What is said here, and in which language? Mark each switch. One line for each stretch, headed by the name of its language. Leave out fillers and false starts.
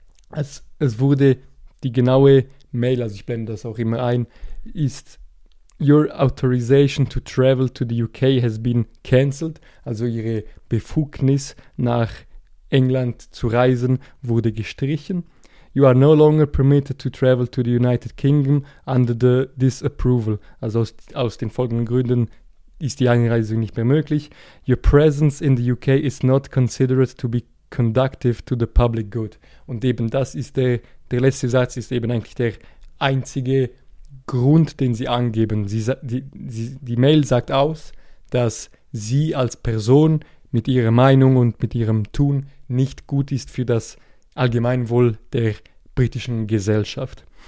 German: Es wurde die genaue Mail, also ich blende das auch immer ein, ist
English: Your authorization to travel to the UK has been cancelled.
German: Also Ihre Befugnis nach England zu reisen wurde gestrichen.
English: You are no longer permitted to travel to the United Kingdom under the disapproval.
German: Also aus den folgenden Gründen ist die Einreise nicht mehr möglich.
English: Your presence in the UK is not considered to be conducive to the public good.
German: Und eben das ist der letzte Satz ist eben eigentlich der einzige Grund, den sie angeben. Die Mail sagt aus, dass sie als Person mit ihrer Meinung und mit ihrem Tun nicht gut ist für das Allgemeinwohl der britischen Gesellschaft.